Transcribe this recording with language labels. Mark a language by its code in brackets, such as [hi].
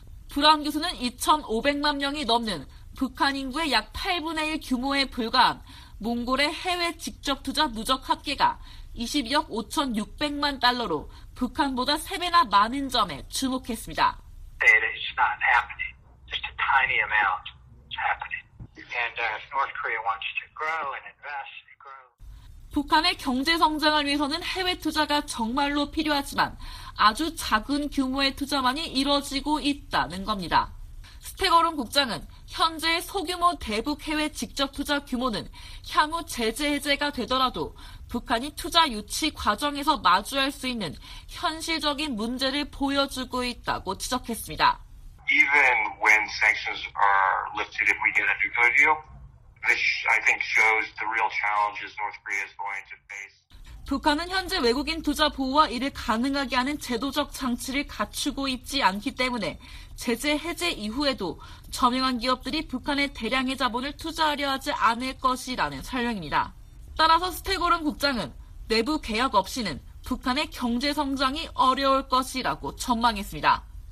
[ko] 브라운 교수는 2,500만 명이 넘는 북한 인구의 약 8분의 1 규모에 불과한 몽골의 해외 직접 투자 누적 합계가 22억 5,600만 달러로 북한보다 3배나 많은 점에 주목했습니다. [en] It is not happening. Just a tiny amount is happening. And if North Korea wants to grow and invest, [ko] 북한의 경제 성장을 위해서는 해외 투자가 정말로 필요하지만 아주 작은 규모의 투자만이 이뤄지고 있다는 겁니다. 스테거룸 국장은 현재 소규모 대북 해외 직접 투자 규모는 향후 제재 해제가 되더라도 북한이 투자 유치 과정에서 마주할 수 있는 현실적인 문제를 보여주고 있다고 지적했습니다. [en] Even when sanctions are lifted, if we get a nuclear deal, this I think shows the real challenges North Korea is going to face. [ko] 북한은 현재 외국인 투자 보호와 이를 가능하게 하는 제도적 장치를 갖추고 있지 않기 때문에 제재 해제 이후에도 저명한 기업들이 북한의 대량의 자본을 투자하려 하지 않을 것이라는 설명입니다. 따라서 스테고른 국장은 내부 개혁 없이는 북한의 경제 성장이 어려울 것이라고 전망했습니다.